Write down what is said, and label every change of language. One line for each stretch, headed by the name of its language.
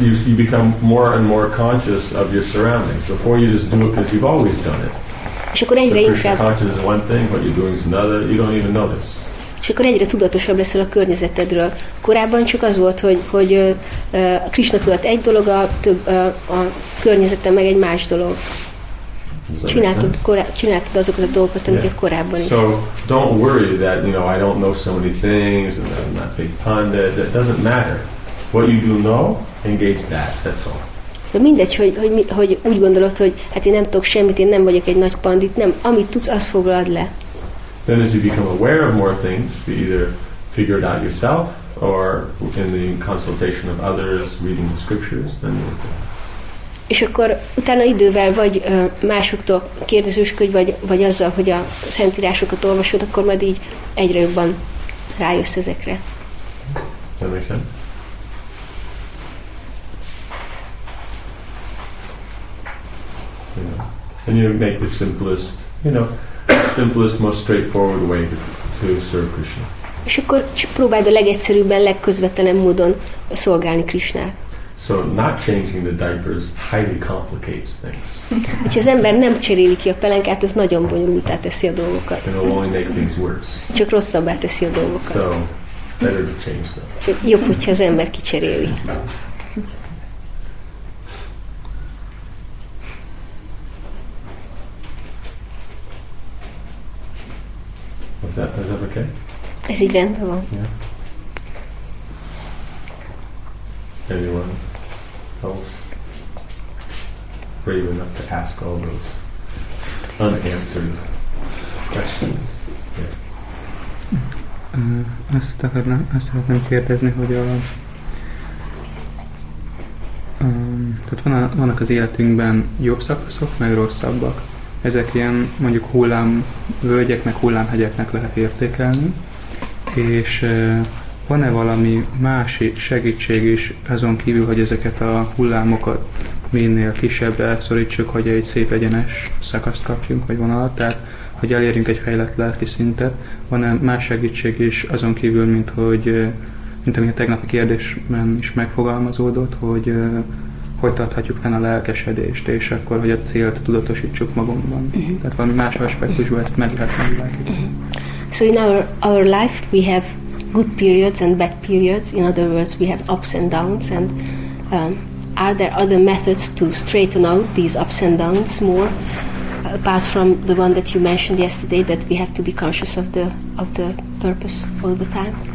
English: You become more and more conscious of your surroundings. Before you just do it because you've always done it.
Hungarian: És akkor egyre so inkább.
English: Krishna consciousness is one thing, what you're doing is another. You don't even notice.
Hungarian: És akkor egyre tudatosabb leszel a környezetedről. Korábban csak az volt, hogy Krishna tudat egy dolog, a környezetem meg egy más dolog. Csináltad azokat a dolgokat, amiket yeah. korábban is.
English: So don't worry that, you know, I don't know so many things and I'm not a big pundit. That doesn't matter. What you do know, engage that. That's all.
Hungarian: De mindegy, hogy úgy gondolod, hogy hát én nem tudok semmit, én nem vagyok egy nagy pandit. Nem, amit tudsz, azt foglald le.
English: Then as you become aware of more things, you either figure it out yourself or in the consultation of others, reading the scriptures, then you
Hungarian: és akkor utána idővel vagy másoktól kérdezősködj, vagy azzal, hogy a szentírásokat olvasod, akkor majd így egyre jobban rájössz ezekre. Nem érzem.
English: And you make the simplest, you know, simplest, most straightforward way to serve Krishna.
Hungarian: És akkor próbáld a legegyszerűbben, legközvetlenebb módon szolgálni Krishnát.
English: So not changing the diapers highly complicates things.
Hungarian: Hogyha az ember nem cseréli ki a pelenkát, ez nagyon bonyolultá teszi a dolgokat.
English: It will only make things worse.
Hungarian: Csak rosszabbá teszi a dolgokat.
English: So better to change them.
Hungarian: Csak jobb, hogyha az ember kicseréli.
English: Is that okay?
Hungarian: Ez így rendben van.
English: Yeah. Anyone? Else brave enough to ask all those unanswered questions. Yes.
Hungarian: Azt szeretném kérdezni, hogy tehát vannak az életünkben jobb szakaszok, meg rosszabbak. Ezek ilyen mondjuk hullámvölgyeknek, hullámhegyeknek lehet értékelni. És van-e valami más segítség is azon kívül, hogy ezeket a hullámokat minél kisebbre szorítsuk, hogy egy szép egyenes szakaszt kapjunk, vagy vonalat, tehát hogy elérjünk egy fejlett lelki szintet, van-e más segítség is azon kívül, mint ami a tegnapi kérdésben is megfogalmazódott, hogy tarthatjuk fenn a lelkesedést, és akkor, hogy a célt tudatosítsuk magunkban. Tehát valami más aspektusban ezt meg lehet megvilágítani.
English: So in our life we have good periods and bad periods. In other words, we have ups and downs. And are there other methods to straighten out these ups and downs more, apart from the one that you mentioned yesterday, that we have to be conscious of the purpose all the time?